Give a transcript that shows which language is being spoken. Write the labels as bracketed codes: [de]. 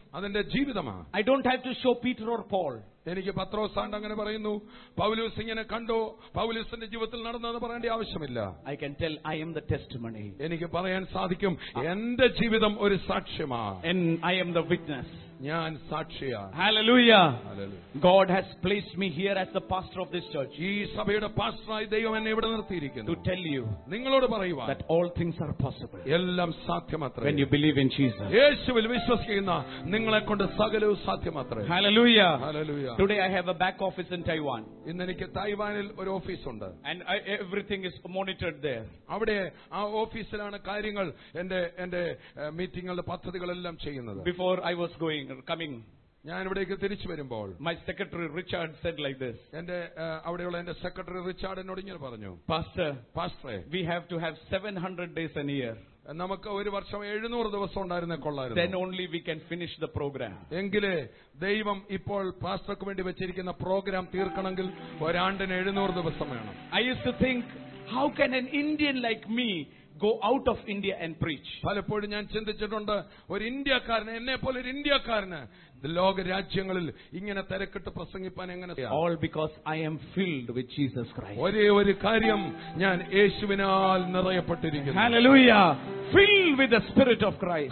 [ml] അതെന്റെ ജീവിതമാണ്. [en] I don't have to show Peter or Paul. [ml] എനിക്ക് പത്രോസ് ആണ്ട് അങ്ങനെ പറയുന്നു, പൗലൂസ് ഇങ്ങനെ കണ്ടോ, പൗലൂസിന്റെ ജീവിതത്തിൽ നടന്നതെന്ന് പറയേണ്ട ആവശ്യമില്ല. [en] I can tell I'm the testimony. [ml] എനിക്ക് പറയാൻ സാധിക്കും എന്റെ ജീവിതം ഒരു സാക്ഷ്യമാണ്. [en] I'm the witness. [ml] ഞാൻ സാക്ഷിയാണ്. [en] Hallelujah. God has placed me here as the pastor of this church. [ml] ഈ സഭയുടെ പാസ്റ്ററായി ദൈവം എന്നെ ഇവിടെ നിർത്തിയിരിക്കുന്നു. [en] To tell you. [ml] നിങ്ങളോട് പറയുവാൻ. [en] That all things are possible. [ml] എല്ലാം സാധ്യമത്രേ. [en] When you believe in Jesus. [ml] യേശുവിൽ വിശ്വസിക്കുന്ന നിങ്ങളെ കൊണ്ട് സകലവും സാധ്യമത്രേ. [en] Hallelujah. Hallelujah. Today I have a back office in Taiwan. [ml] ഇന്ന് എനിക്ക് തായ്വാനിൽ ഒരു ഓഫീസ് ഉണ്ട്. [en] And everything is monitored there. [ml] അവിടെ ആ ഓഫീസിലാണ് കാര്യങ്ങൾ എന്റെ മീറ്റിംഗുകളുടെ പദ്ധതികളെല്ലാം ചെയ്യുന്നത്. [en] Before I was coming. [ml] ഞാൻ ഇവിടേക്ക് തിരിച്ചു വരുമ്പോൾ [en] My secretary Richard said like this. [ml] എന്റെ അവിടെയുള്ള എന്റെ സെക്രട്ടറി റിച്ചാർഡ് എന്നോട് ഇങ്ങനെ പറഞ്ഞു, [en] പാസ്റ്ററെ, we have to have 700 days in year. [ml] നമുക്ക് ഒരു വർഷം 700 ദിവസം ഉണ്ടായിരുന്നേ കൊള്ളായിരുന്നു. [en] Then only we can finish the program. [ml] എങ്കിലേ ദൈവം ഇപ്പോൾ പാസ്റ്റർക്ക് വേണ്ടി വെച്ചിരിക്കുന്ന പ്രോഗ്രാം തീർക്കണമെങ്കിൽ ഒരാണ്ടിന് 700 ദിവസം വേണം. [en] I used to think, how can an Indian like me go out of India and preach? [ml] പലപ്പോഴും ഞാൻ ചിന്തിച്ചിട്ടുണ്ട്, ഒരു ഇന്ത്യക്കാരന് എന്നെ പോലെ ഒരു ഇന്ത്യക്കാരന് ലോക രാജ്യങ്ങളിൽ ഇങ്ങനെ തിരക്കിട്ട് പ്രസംഗിപ്പാൻ എങ്ങനെ? [en] All because I'm filled with Jesus Christ. [ml] ഒരേ ഒരു കാര്യം, ഞാൻ യേശുവിനാൽ നിറയപ്പെട്ടിരിക്കുന്നു. [en] Hallelujah. Filled with the spirit of Christ.